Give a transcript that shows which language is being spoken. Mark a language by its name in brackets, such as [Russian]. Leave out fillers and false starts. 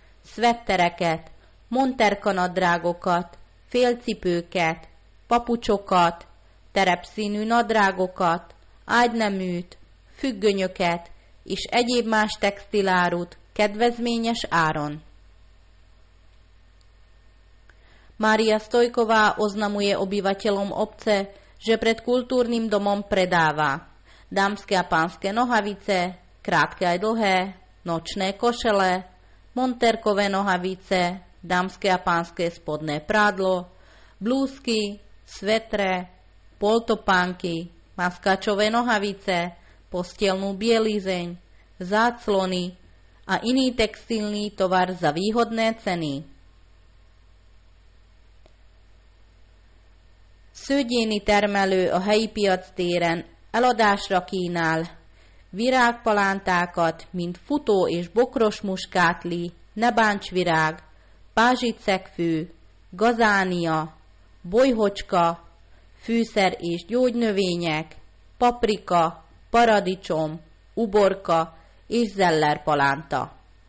[Hungarian] szvettereket, monterkanadrágokat, félcipőket, papucsokat, terepszínű nadrágokat, ágyneműt, függönyöket és egyéb más textilárut kedvezményes áron. [Slovak] Mária Stojková oznamuje obyvateľom obce, že pred kultúrnym domom predáva dámske a pánske nohavice, krátke aj dlhé, nočné košele, monterkové nohavice, dámske a pánske spodné prádlo, blúzky, svetre, poltopánky, maskačové nohavice, postielnú bielizeň, záclony a iný textilný tovar za výhodné ceny. [Hungarian] Szőgyéni termelő a helyi piac téren eladásra kínál virágpalántákat, mint futó és bokros muskátli, nebáncsvirág, pázsicekfű, gazánia, bolyhocska, fűszer és gyógynövények, paprika, paradicsom, uborka és zellerpalánta.